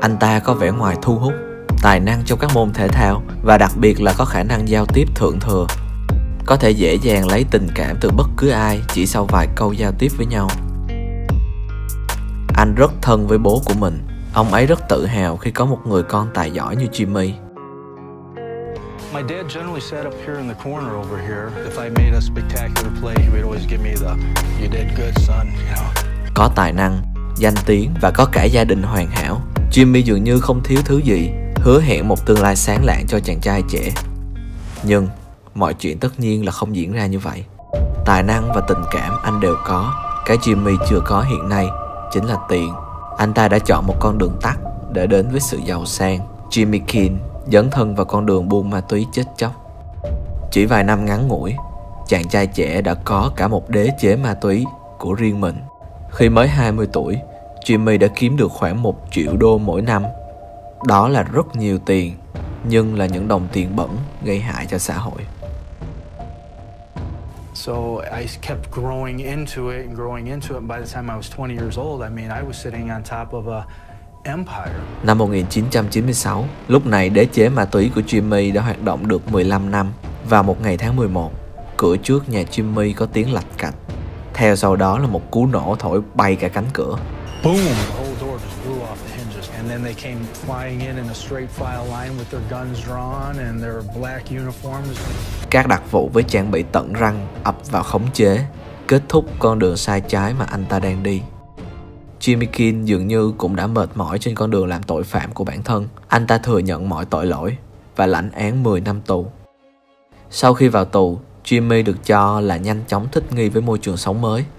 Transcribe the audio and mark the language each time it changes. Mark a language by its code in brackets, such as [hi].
[vi] Anh ta có vẻ ngoài thu hút, tài năng trong các môn thể thao và đặc biệt là có khả năng giao tiếp thượng thừa. Có thể dễ dàng lấy tình cảm từ bất cứ ai chỉ sau vài câu giao tiếp với nhau. Anh rất thân với bố của mình. Ông ấy rất tự hào khi có một người con tài giỏi như Jimmy. [en] My dad generally sat up here in the corner over here. If I made a spectacular play, he would always give me the "You did good, son," you know. [vi] Có tài năng, danh tiếng và có cả gia đình hoàn hảo, Jimmy dường như không thiếu thứ gì, hứa hẹn một tương lai sáng lạn cho chàng trai trẻ. Nhưng mọi chuyện tất nhiên là không diễn ra như vậy. Tài năng và tình cảm anh đều có, cái Jimmy chưa có hiện nay chính là tiền. Anh ta đã chọn một con đường tắt để đến với sự giàu sang. Jimmy King dấn thân vào con đường buôn ma túy chết chóc. Chỉ vài năm ngắn ngủi, chàng trai trẻ đã có cả một đế chế ma túy của riêng mình. Khi mới 20 tuổi, Jimmy đã kiếm được khoảng 1 triệu đô mỗi năm. Đó là rất nhiều tiền, nhưng là những đồng tiền bẩn gây hại cho xã hội. [en] So I kept growing into it and growing into it. By the time I was 20 years old, I mean I was sitting on top of a empire. [vi] Năm 1996, lúc này đế chế ma túy của Jimmy đã hoạt động được 15 năm. Vào một ngày tháng 11, cửa trước nhà Jimmy có tiếng lạch cạch. Theo sau đó là một cú nổ thổi bay cả cánh cửa. [en] Boom! The whole door just blew off the hinges, and then they came flying in a straight file line with their guns drawn and their black uniforms. [vi] Các đặc vụ với trang bị tận răng ập vào khống chế, kết thúc con đường sai trái mà anh ta đang đi. Jimmy King dường như cũng đã mệt mỏi trên con đường làm tội phạm của bản thân. Anh ta thừa nhận mọi tội lỗi và lãnh án 10 năm tù. Sau khi vào tù, Jimmy được cho là nhanh chóng thích nghi với môi trường sống mới.